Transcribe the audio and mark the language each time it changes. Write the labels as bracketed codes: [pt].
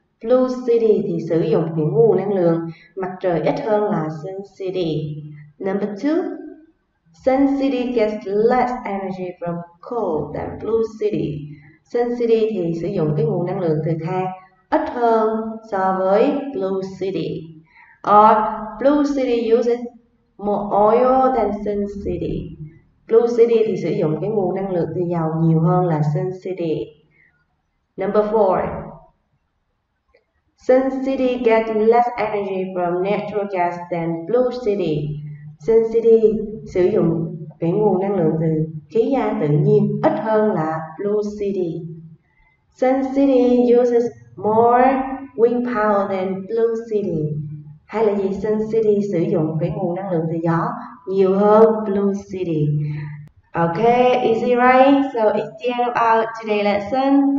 [vi] Blue City thì sử dụng những nguồn năng lượng mặt trời ít hơn là Sun City. [en] Number two, Sun City gets less energy from coal than Blue City. [vi] Sun City thì sử dụng cái nguồn năng lượng từ than ít hơn so với Blue City. [en] Or Blue City uses more oil than Sun City. [vi] Blue City thì sử dụng cái nguồn năng lượng từ dầu nhiều hơn là Sun City. [en] Number four, Sun City gets less energy from natural gas than Blue City. [vi] Sun City sử dụng cái nguồn năng lượng từ khí ga tự nhiên ít hơn là Blue City. [en] Sun City uses more wind power than Blue City. [vi] Hay là gì? Sun City sử dụng cái nguồn năng lượng từ gió nhiều hơn Blue City. [en] Okay, easy, right? So it's the end of our today lesson.